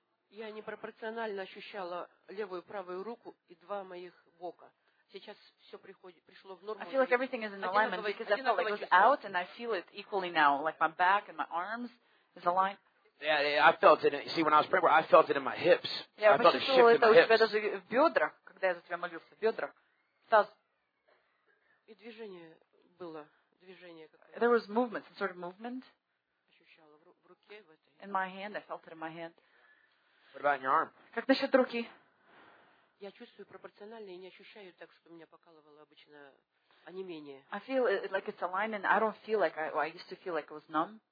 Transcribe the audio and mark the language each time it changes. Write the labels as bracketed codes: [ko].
[ru] Я непропорционально ощущала левую и правую руку и два моих бока. Сейчас все приходит, пришло в норму. [en] I feel like everything is in alignment because I felt like it was out and I feel it equally now. Like my back and my arms is aligned. I felt it. See, when I was praying, I felt it in my hips. [ru] Я [en] I felt a shift in my hips. [ru] Даже в бедрах, когда я за тебя молился, в бедрах. Таз. И движение было, движение какое-то. [en] There was movement, some sort of movement. [ru] Ощущала в руке, в этой. [en] In my hand, I felt it in my hand. What about in your arm? [ru] Как насчет руки? Я чувствую пропорционально и не ощущаю так, что меня покалывало обычно, а не менее. [en] I feel it, like it's alignment. I don't feel like I used to feel like it was numb.